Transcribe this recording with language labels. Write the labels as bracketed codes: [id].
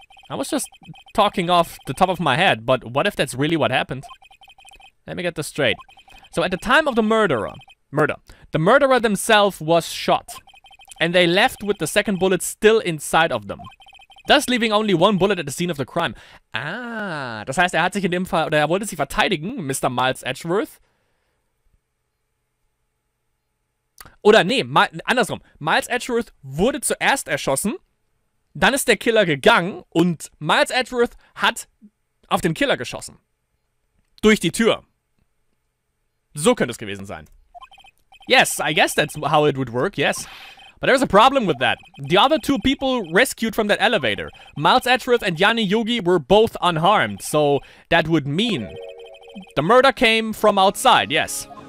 [en] I was just talking off the top of my head, but what if that's really what happened? Let me get this straight. So at the time of the murder, the murderer themselves was shot, and they left with the second bullet still inside of them, thus leaving only one bullet at the scene of the crime. [de] Ah, das heißt, hat sich in dem Fall, oder wollte sich verteidigen, Mr. Miles Edgeworth. Oder nee, andersrum. Miles Edgeworth wurde zuerst erschossen. Dann ist der Killer gegangen und Miles Edgeworth hat auf den Killer geschossen. Durch die Tür. So könnte es gewesen sein. [en] Yes, I guess that's how it would work, yes. But there's a problem with that. The other two people rescued from that elevator. Miles Edgeworth and Yanni Yugi were both unharmed, so that would mean the murder came from outside, yes.